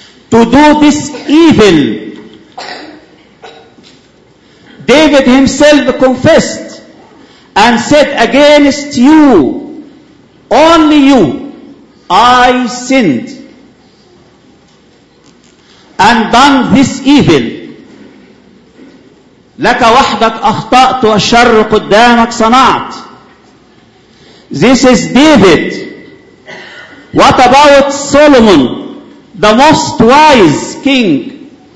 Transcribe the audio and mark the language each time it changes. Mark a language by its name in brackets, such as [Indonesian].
[English] To do this evil, David himself confessed and said, against you, only you, I sinned and done this evil. [Arabic] لك وحدك أخطأت والشر قدامك صنعت. [English] This is David. What about Solomon, the most wise king?